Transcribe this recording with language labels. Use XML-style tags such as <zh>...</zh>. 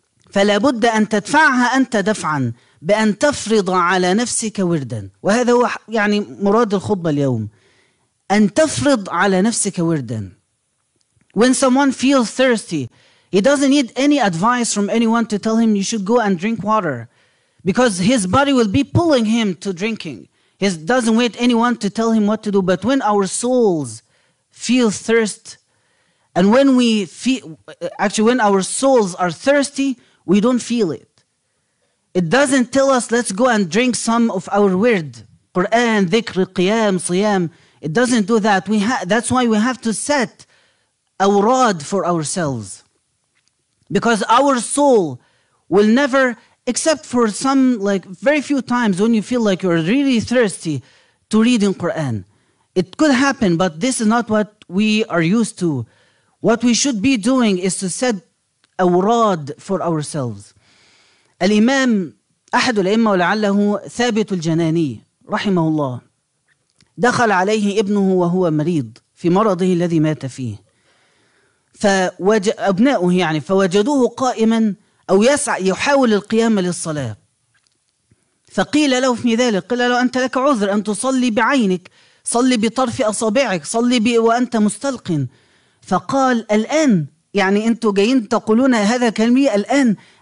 <ar>فلا بد أن تدفعها أنت دفعا بأن تفرض على نفسك وردا وهذا هو يعني مراد الخطبة اليوم أن تفرض على نفسك وردا</ar> <en>When someone feels thirsty He doesn't need any advice from anyone to tell him you should go and drink water because his body will be pulling him to drinking. He doesn't wait anyone to tell him what to do. But when our souls feel thirst and when we feel, actually when our souls are thirsty, we don't feel it. It doesn't tell us let's go and drink some of our wird. Quran, dhikr, qiyam, siyam. It doesn't do that. That's why we have to set awrad for ourselves. Because our soul will never, except for some, like very few times when you feel like you're really thirsty to read in Quran. It could happen, but this is not what we are used to. What we should be doing is to set a wrad for ourselves.</en> <ar>Al-Imam, أحد الأئمة ولعله ثابت الجناني رحمه الله دخل عليه ابنه وهو مريض في مرضه الذي مات فيه. أبناؤه يعني فوجدوه قائما أو يسعى يحاول القيام للصلاة فقيل له في ذلك قيل له أنت لك عذر أن تصلي بعينك صلي بطرف أصابعك صلي وأنت مستلق فقال الآن يعني أنتوا جايين تقولون هذا كلامي الآن</ar>